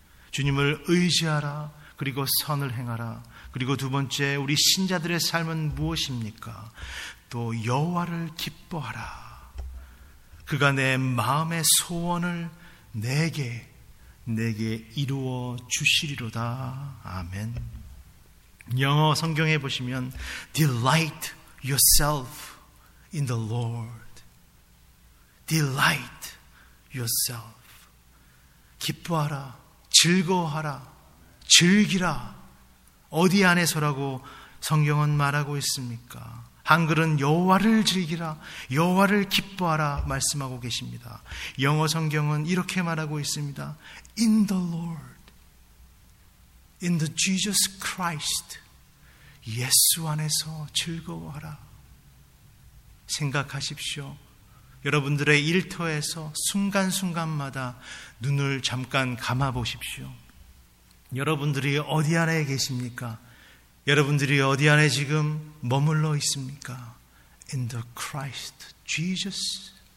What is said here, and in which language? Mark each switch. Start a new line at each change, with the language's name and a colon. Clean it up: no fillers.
Korean: 주님을 의지하라. 그리고 선을 행하라. 그리고 두 번째 우리 신자들의 삶은 무엇입니까? 또 여호와를 기뻐하라. 그가 내 마음의 소원을 내게 이루어 주시리로다. 아멘. 영어 성경에 보시면
English: Delight yourself in the Lord. Delight yourself.
Korean: 기뻐하라. 즐거워하라. 즐기라. 어디 안에서라고 성경은 말하고 있습니까? 한글은 여호와를 즐기라, 여호와를 기뻐하라 말씀하고 계십니다. 영어 성경은 이렇게 말하고 있습니다.
English: In the Lord, in the Jesus Christ,
Korean: 예수 안에서 즐거워하라. 생각하십시오. 여러분들의 일터에서 순간순간마다 눈을 잠깐 감아보십시오. 여러분들이 어디 안에 계십니까? 여러분들이 어디 안에 지금 머물러 있습니까?
English: In the Christ, Jesus.